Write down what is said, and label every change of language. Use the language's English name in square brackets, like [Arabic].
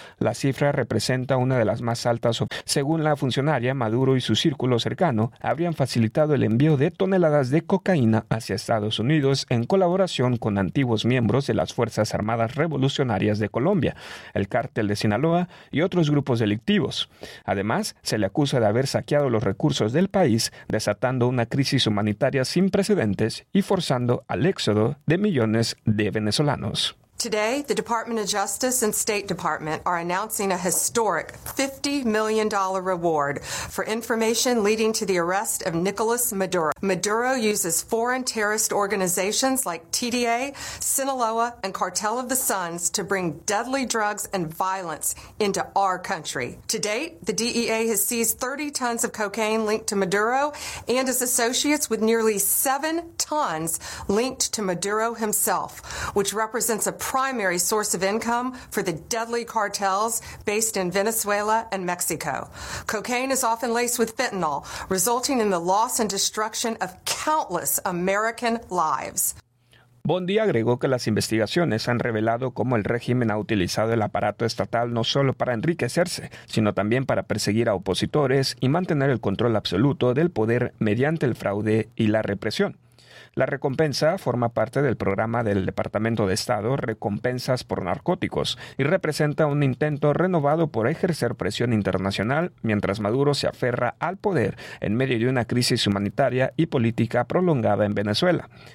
[Spanish] La cifra representa una de las más altas. Según la funcionaria, Maduro y su círculo cercano habrían facilitado el envío de toneladas de cocaína hacia Estados Unidos en colaboración con antiguos miembros de las Fuerzas Armadas Revolucionarias de Colombia, el Cártel de Sinaloa y otros grupos delictivos. Además, se le acusa de haber saqueado los recursos del país, desatando una crisis humanitaria sin precedentes y forzando al éxodo de millones de venezolanos. [English] Today, the Department of Justice and State Department are announcing a historic $50 million reward for information leading to the arrest of Nicolas Maduro. Maduro uses foreign terrorist organizations like TDA, Sinaloa, and Cartel of the Suns to bring deadly drugs and violence into our country. To date, the DEA has seized 30 tons of cocaine linked to Maduro and his associates, with nearly 7 tons linked to Maduro himself, which represents a primary source of income for the deadly cartels based in Venezuela and Mexico. Cocaine is often laced with fentanyl, resulting in the loss and destruction of countless American lives. [Spanish] Bondi agregó que las investigaciones han revelado cómo el régimen ha utilizado el aparato estatal no solo para enriquecerse, sino también para perseguir a opositores y mantener el control absoluto del poder mediante el fraude y la represión. La recompensa forma parte del programa del Departamento de Estado Recompensas por Narcóticos y representa un intento renovado por ejercer presión internacional mientras Maduro se aferra al poder en medio de una crisis humanitaria y política prolongada en Venezuela.